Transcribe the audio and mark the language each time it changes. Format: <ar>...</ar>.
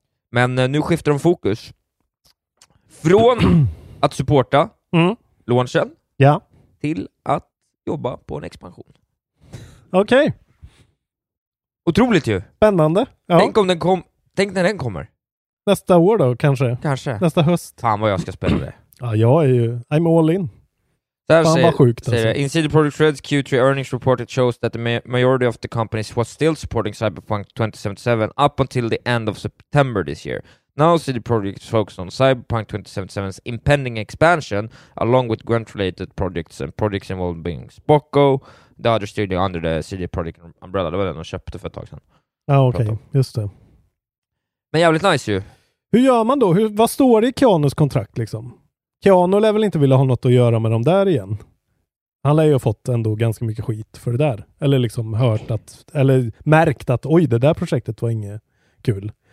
<sv>Men nu skiftar de fokus. Från att supporta launchen till att jobba på en expansion. Okej. Okay. Otroligt ju. Spännande. Ja. Tänk när den kommer. Nästa år då, kanske. Kanske. Nästa höst. Fan vad jag ska spela det. Ja, jag är ju...</sv> <en>I'm all in. Där in CD Projekt Red's Q3 earnings report, it shows that the majority of the companies was still supporting Cyberpunk 2077 up until the end of September this year. Now CD Projekt is focused on Cyberpunk 2077's impending expansion, along with Gwent-related projects and projects involving Spocko, the other studio under the CD Projekt umbrella.</en> <sv>Det var den de köpte för ett tag sedan. Ja, ah, okej. Okay. Just det. Men jävligt nice ju. Hur gör man då? Vad står det i Keanus kontrakt liksom? Keanu lär väl inte vilja ha något att göra med dem där igen. Han lär ju ha fått ändå ganska mycket skit för det där. Eller liksom hört att, eller märkt att oj, det där projektet var inget kul.</sv>